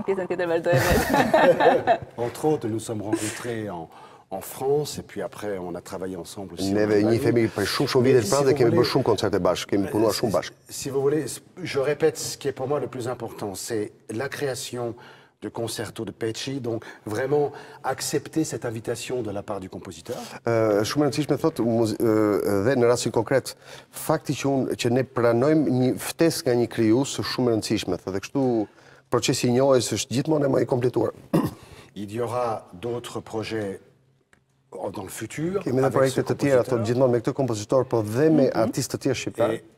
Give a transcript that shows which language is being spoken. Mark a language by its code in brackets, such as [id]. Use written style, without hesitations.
[fr] Entre autres, nous sommes rencontrés en France, et puis après, on a travaillé ensemble aussi. [sq] Ne veni femi për shumë shumë vite pranë dhe kemi bërë shumë koncerte bashkë, kemi punuar shumë bashkë. [fr] Si vous voulez, je répète ce qui est pour moi le plus important, c'est la création de concerto de Peçi, donc vraiment accepter cette invitation de la part du compositeur. [sq] Shumë rëndësishme thot dhe në rastin konkret, fakti që unë që ne pranojmë një ftesë nga një krijues shumë rëndësishme, thotë kështu procesi i njohjes është gjithmonë më i kompletuar. [fr] Il y aura d'autres projets dans le futur. Et même avec ce compositeur, avec ce compositeur, pour des artistes tiers, je ne sais pas.